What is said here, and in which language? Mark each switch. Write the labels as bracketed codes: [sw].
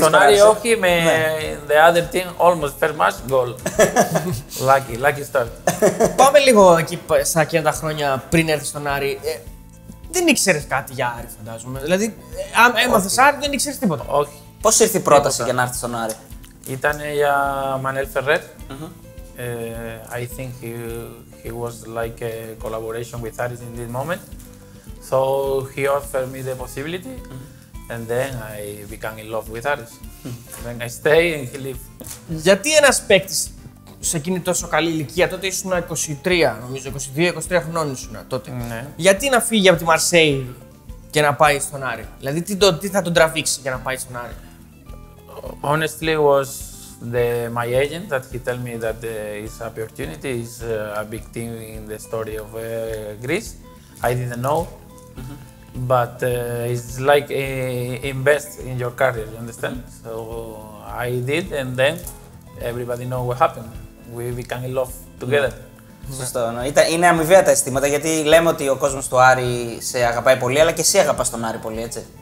[el] Στον Άρη, όχι, με [en] the other team, almost first match, goal. lucky start. [el] Πάμε λίγο εκεί σαν και τα χρόνια πριν έρθει στον Άρη. Δεν ήξερε κάτι για Άρη, φαντάζομαι. Δηλαδή, αν έμαθε Άρη, δεν ήξερε τίποτα. Όχι. Πώς ήρθε η πρόταση για να έρθει στον Άρη? Ήταν για Manel Ferrer. Mm-hmm. [en] I think he was like a collaboration with Aris in this moment. So he offered me the possibility. Mm-hmm. And then I became in love with Aris. Mm-hmm. Then I stay and he leave. [el] Γιατί ένας παίκτης σε εκείνη τόσο καλή ηλικία, τότε ήσουν 23, νομίζω 22-23 χρόνων ήσουν τότε. Ναι. Γιατί να φύγει από τη Μαρσέη και να πάει στον Άρη? Δηλαδή τι θα τον τραβήξει για να πάει στον Άρη? [en] Honestly, it was my agent that he told me that it's an opportunity, it's a big thing in the story of Greece. I didn't know, mm-hmm. but it's like invest in your career, you understand? Mm-hmm. So I did, and then everybody know what happened. We became in love together. Mm-hmm. [el] Σωστό. Ναι. Είναι αμοιβαία τα αισθήματα γιατί λέμε ότι ο κόσμος του Άρη σε αγαπάει πολύ, αλλά και εσύ αγαπάς τον Άρη πολύ, έτσι.